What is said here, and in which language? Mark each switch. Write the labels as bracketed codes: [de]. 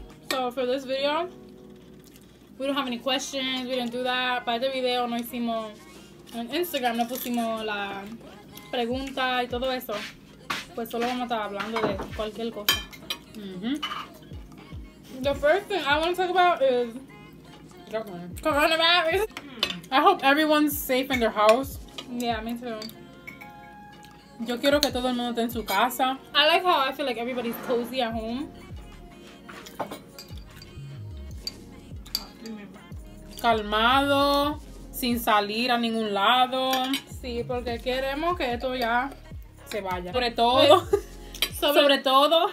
[en] So, for this video, we don't have any questions. We didn't do that. [es] Para este video, no hicimos... En Instagram, no pusimos la... pregunta y todo eso, pues solo vamos a estar hablando de cualquier cosa. Mm-hmm. [en] The first thing I want to talk about is coronavirus. I hope everyone's safe in their house. Yeah, me too. [es] Yo quiero que todo el mundo esté en su casa. [en] I like how I feel like everybody's cozy at home. [es] Calmado. Sin salir a ningún lado. Sí, porque queremos que esto ya se vaya. Sobre todo. Sobre todo.